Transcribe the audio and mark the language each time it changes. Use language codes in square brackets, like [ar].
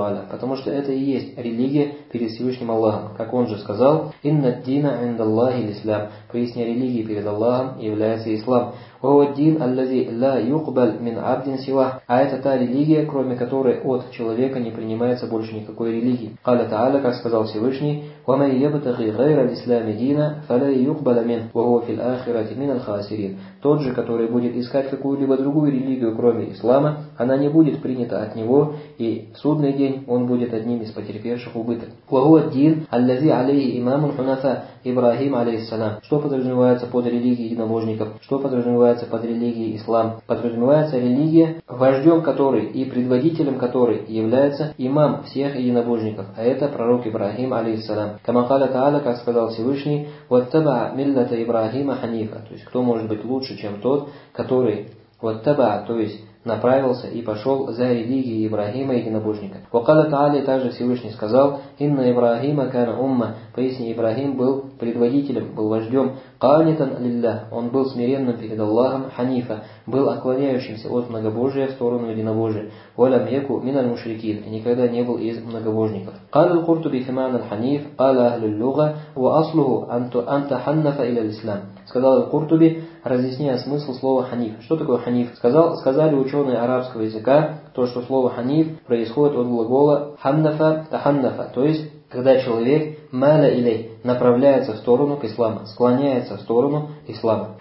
[ru] Потому что это и есть религия перед Всевышним Аллахом. Как он же сказал, [ar] «Инна ддина индаллахи лислам». [ru] Поистине религии перед Аллахом является ислам. [ar] «Уаддин аллази ла юкбаль мин абдин сивах». [ru] А это та религия, кроме которой от человека не принимается больше никакой религии. [ar] Каля Тааля, [ru] как сказал Всевышний, [ar] وَمَنْ يَبْتَغِي غَيْرَ الْإِسْلَامِ دِينًا فَلَا يُقْبَلَ مِنْهُ وَهُوَ فِي الْآخِرَةِ مِنَ الْخَاسِرِينَ. [ru] Тот же, который будет искать какую-либо другую религию, кроме ислама, она не будет принята от него, и в судный день он будет одним из потерпевших убыток. [ar] وَهُوَ الدِّينَ الَّذِي عَلَيْهِ إِمَامُ الْحُنَفَى إِبْرَاهِيمَ عَلَيْهِ السَّلَامُ. [ru] Что подразумевается под религией единобожников? Что подразумевается под религией ислам? Подразумевается религия, вождем которой и предводителем которой является имам всех единобожников, а это пророк Ибрахим, алейхиссалам. [ar] كما قال تعالى [ru] как сказал Всевышний [ar] واتبع ملة إبراهيم حنيفا. [ru] То есть кто может быть лучше, чем тот, который واتبع, то есть направился и пошел за религией Ибрахима единобожника. [ar] وقال تعالى [ru] также Всевышний сказал [ar] إن إبراهيم كان أمة. [ru] Поистине Ибрахим был предводителем, был вождем. [ar] قانتاً لله. [ru] Он был смиренным перед Аллахом حنيفا. Был отклоняющимся от многобожия в сторону единобожия. [ar] ولم يكو من المشركين. [ru] И никогда не был из многобожников. [ar] قال القرطبي ثمان الحنيف قال أهل اللغة وأصله أن تحنف إلى الإسلام. [ru] Сказал القرطبي, разъясняя смысл слова ханиф. Что такое ханиф? Сказали ученые арабского языка, то, что слово ханиф происходит от глагола ханнафа, таханнафа, то есть, когда человек мала илей, направляется в сторону к исламу, склоняется в сторону ислама.